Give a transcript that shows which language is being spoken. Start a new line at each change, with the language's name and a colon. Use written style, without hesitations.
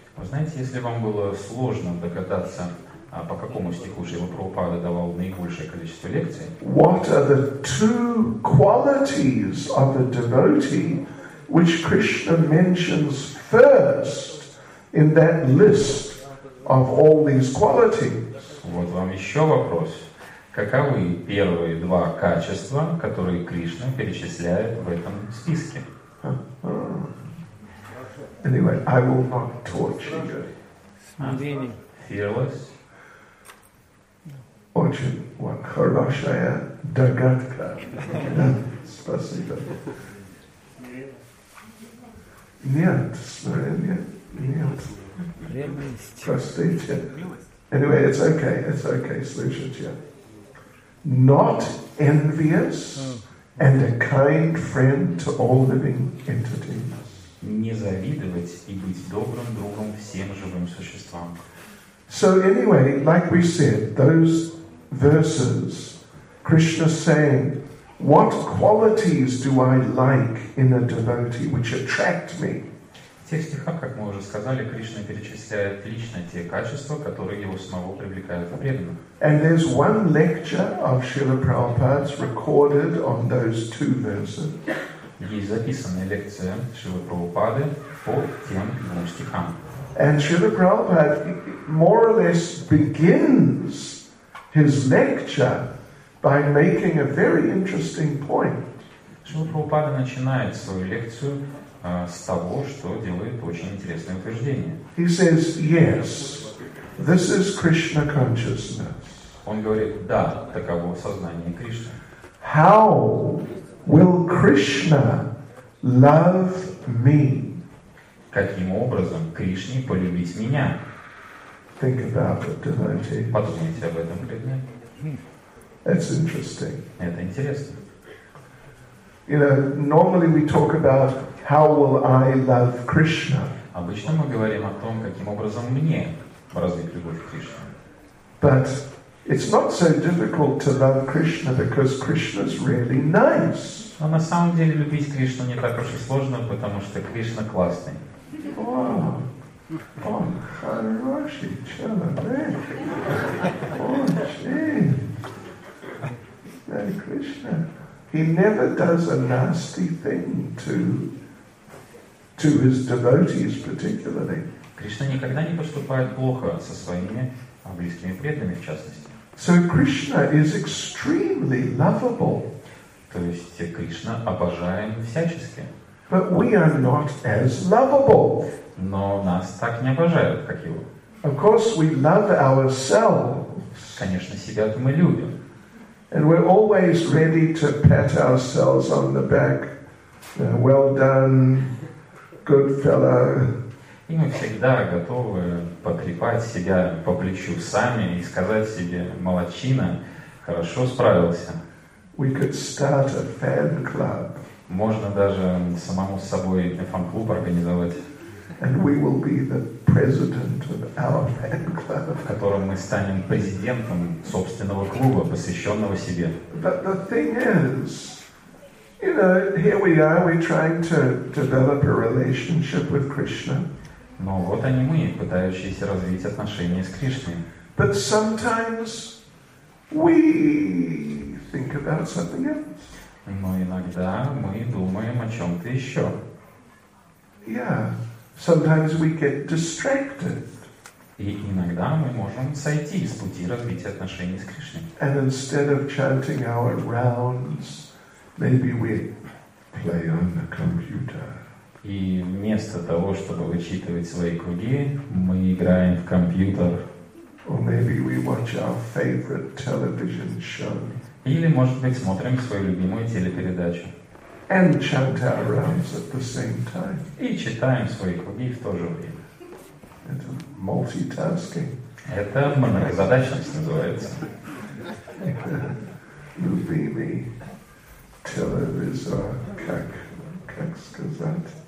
Russian: Вы знаете, если вам было сложно догадаться, по какому стиху же его Прабхупада давал наибольшее количество лекций,
English: what are the two qualities of the devotee which Krishna mentions first in that list of all these qualities?
Russian: Вот вам еще вопрос. Каковы первые два качества, которые Кришна перечисляет в этом списке?
English: Anyway, I will not torture you.
Russian: Смирение.
English: Fearless.
Russian: Очень хорошая догадка. Спасибо. Нет, смирение. Нет. Ревность. Простите.
English: Anyway, it's okay. It's okay.
Russian: Слушайте.
English: Not envious and a kind friend to all living entities.
Russian: Не завидовать и быть добрым другом всем живым существам.
English: So anyway, like we said, those verses, Krishna saying, what qualities do I like in a devotee which attract me?
Russian: В тех стихах, как мы уже сказали, Кришна перечисляет лично те качества, которые его самого привлекают в преданных.
English: And there's one lecture of Srila Prabhupada's recorded on those two verses.
Russian: Есть записанная лекция Шрилы Прабхупады по тем двум стихам.
English: And Srila Prabhupada more or less begins his lecture by making a very interesting point.
Russian: Шрила Прабхупада начинает свою лекцию с того, что делает очень интересное утверждение.
English: He says, yes, this is Krishna consciousness.
Russian: Он говорит, да, таково сознание Кришны.
English: How will Krishna love me?
Russian: Каким образом Кришне полюбить меня?
English: Think about it, devotee.
Russian: Подумайте об этом, преданный.
English: That's interesting.
Russian: Это интересно.
English: You know, normally we talk about how will I love Krishna.
Russian: Обычно мы говорим о том, каким образом мне развить любовь к Кришне.
English: But it's not so difficult to love Krishna because Krishna is really nice.
Russian: Но на самом деле любить Кришну не так уж и сложно, потому что Кришна классный. О, хороший человек. О, чей. Эй, Кришна.
English: He never does a nasty thing to his devotees particularly.
Russian: Кришна никогда не поступает плохо со своими близкими преданными в частности.
English: So Krishna is extremely lovable.
Russian: То есть Кришна обожаем всячески.
English: But we are not as lovable.
Russian: Но нас так не обожают, как его.
English: Of course we love ourselves.
Russian: Конечно, себя-то мы любим.
English: And we're always ready to pat ourselves on the back. Well done, good fellow.
Russian: И мы всегда готовы потрепать себя по плечу сами и сказать себе, молодчина, хорошо справился.
English: We could start a fan club.
Russian: Можно даже самому с собой фан-клуб организовать.
English: And we will be the president of our fan club.
Russian: В котором мы станем президентом собственного клуба, посвященного себе.
English: But the thing is, you know, here we are, we're trying to develop a relationship with Krishna.
Russian: Но вот они мы, пытающиеся развить отношения с Кришной.
English: But sometimes we think about something else.
Russian: Но иногда мы думаем о чем-то еще.
English: Yeah, sometimes we get distracted.
Russian: И иногда мы можем сойти с пути развития отношений с Кришной.
English: And instead of chanting our rounds, maybe we play on the computer.
Russian: И вместо того, чтобы вычитывать свои круги, мы играем в компьютер.
English: Or maybe we watch our favorite television show.
Russian: Или, может быть, смотрим свою любимую телепередачу.
English: And chant our rounds at the same time.
Russian: И читаем свои круги в то же время. Это multitasking. Это многозадачность называется. Любимый телевизор, как сказать?